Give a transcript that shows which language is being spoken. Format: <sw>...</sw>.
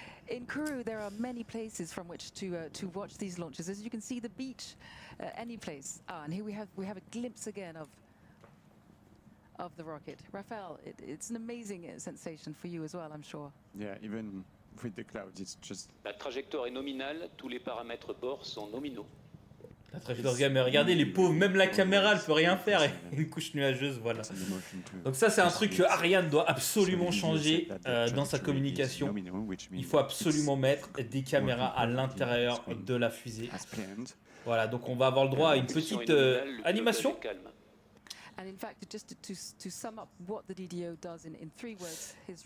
<en>In Kourou, there are many places from which to watch these launches. As you can see, the beach, any place. Ah, and here we have a glimpse again of the rocket. Raphaël, it's an amazing sensation for you as well, I'm sure. Yeah, even. With the clouds, it's just...</en> <fr>La trajectoire est nominale, tous les paramètres bord sont nominaux. La trajectoire, mais regardez les pauvres, même la caméra ne peut rien faire, une couche nuageuse, voilà. Donc ça c'est un truc que Ariane doit absolument changer dans sa communication. Il faut absolument mettre des caméras à l'intérieur de la fusée. Voilà, donc on va avoir le droit à une petite animation.</fr> <en>And in fact, just to sum up what the DDO does in three words, his</en>